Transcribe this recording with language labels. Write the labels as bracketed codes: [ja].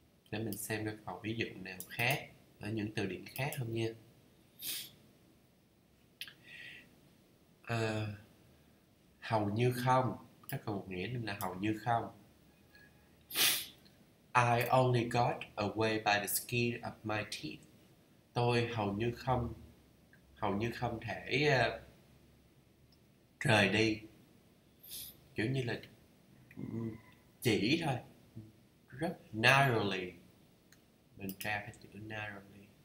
[vi] Để mình xem cái câu ví dụ nào khác ở những từ điển khác không nha. Hầu như không, các câu một nghĩa là hầu như không. [en] I only got away by the skin of my teeth. [vi] Tôi hầu như không thể rời đi. Kiểu như là chỉ thôi, rất narrowly. Mình tra cái chữ narrowly.